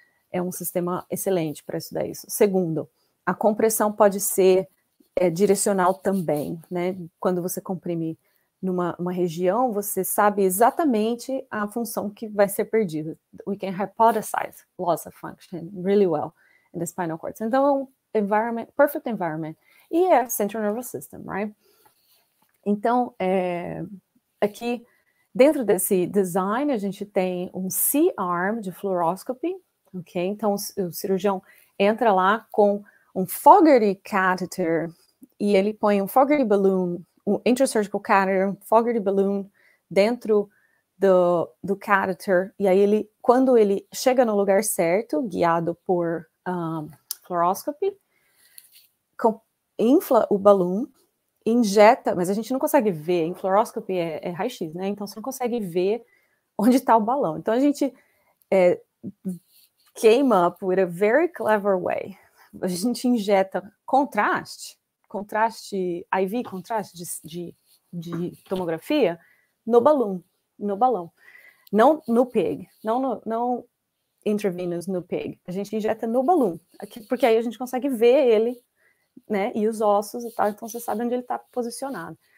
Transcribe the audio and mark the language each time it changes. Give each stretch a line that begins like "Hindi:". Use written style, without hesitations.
Portuguese: É um sistema excelente para estudar isso. Segundo, a compressão pode ser direcional também, né? Quando você comprime numa uma região, você sabe exatamente a função que vai ser perdida.
English: We can hypothesize loss of function really well in the spinal cord. Então, environment, perfect environment.
Portuguese: E é
English: central nervous system, right?
Portuguese: Então, aqui, dentro desse design, a gente tem um C-arm de fluoroscopy, ok? Então, o cirurgião entra lá com um Fogarty catheter e ele põe um Fogarty balloon, um intrasurgical catheter, um Fogarty balloon dentro do catheter. E aí, ele, quando ele chega no lugar certo, guiado por fluoroscopy, infla o balloon, injeta, mas a gente não consegue ver, em fluoroscopy é raio-x, né? Então você não consegue ver onde está o balão. Então a gente
English: came up with a very clever way.
Portuguese: A gente injeta contraste, IV contraste de tomografia, no balão. Não no pig, não intravenous no pig. A gente injeta no balão, porque aí a gente consegue ver ele, né, e os ossos e tal, então você sabe onde ele está posicionado.